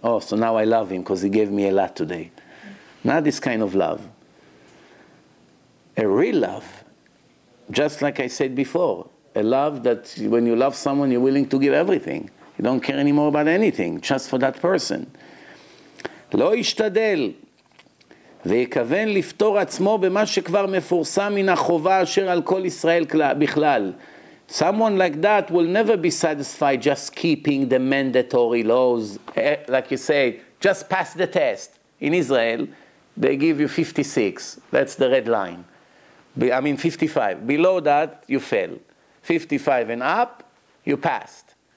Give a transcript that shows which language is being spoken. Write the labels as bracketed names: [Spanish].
[English] Oh, so now I love him because he gave me a lot today. Not this kind of love. A real love, just like I said before, a love that when you love someone, you're willing to give everything. You don't care anymore about anything, just for that person. [Hebrew] Lo ishtadel. ויכוון לפתור עצמו במה שכבר מפורסם מן החובה אשר על כל ישראל בכלל. [English] Someone like that will never be satisfied just keeping the mandatory laws. Like you say, just pass the test. In Israel, they give you 56. That's the red line. I mean 55. Below that, you fail. 55 and up, you passed.